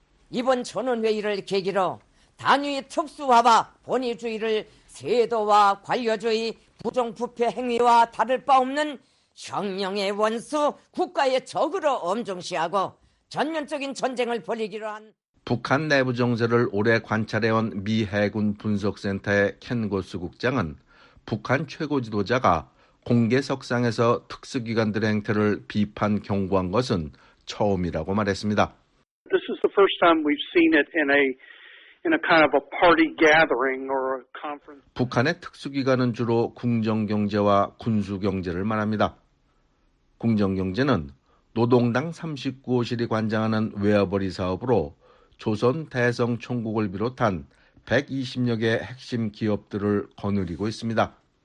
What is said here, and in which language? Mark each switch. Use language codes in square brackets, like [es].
[ko] 이번 전원회의를 계기로 단위 특수화와 본위주의를 세도와 관료주의, 부정부패 행위와 다를 바 없는 혁명의 원수, 국가의 적으로 엄중시하고 전면적인 전쟁을 벌이기로 한 북한 내부 정세를 오래 관찰해온 미 해군 분석센터의 켄고스 국장은 북한 최고 지도자가 공개석상에서 특수기관들의 행태를 비판 경고한 것은 처음이라고 말했습니다. [en] This is the first time we've seen it in a kind of a party gathering or a conference. [ko] 북한의 특수기관은 주로 궁정경제와 군수경제를 말합니다. 궁정경제는 노동당 39호실이 관장하는 웨어버리 사업으로 조선 대성 총국을 비롯한 120여 개 핵심 기업들을 거느리고 있습니다.